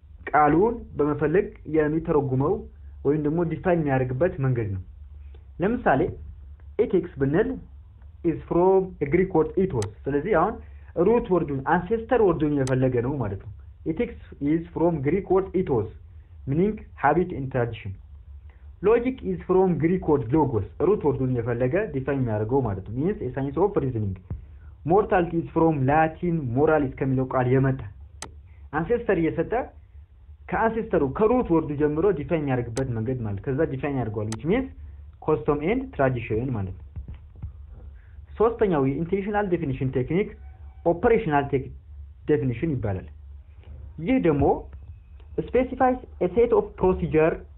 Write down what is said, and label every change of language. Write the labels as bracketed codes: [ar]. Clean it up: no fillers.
[am] ቃሉን በመፈለግ የሚተረጉመው ወይም ደግሞ ዲፋይን የሚያርግበት መንገድ ነው። ለምሳሌ [en] ethics ብንል is from a greek word ethos። [am] ስለዚህ አሁን root ወርዱን ancestor ወርዱን የፈለገ ነው ማለት ነው። [en] ethics is from greek word ethos meaning habit and tradition. logic is from greek word logos root word [am] ነው የፈለገ define የሚያደርገው ማለት ነው። [en] means a science of reasoning. mortality is from latin moralis [am] ከሚለው ቃል የመጣ ancestor የሰጠ ከአንሴስተሩ ከroot word ጀምሮ define የሚያደርግበት መንገድ ማለት ከዛ define ያርጓል [en] which means custom and tradition [am] ማለት ነው። ሶስተኛው [en] intentional definition technique operational definition [am] ይባላል። ይህ ደግሞ [en] specifies a set of procedure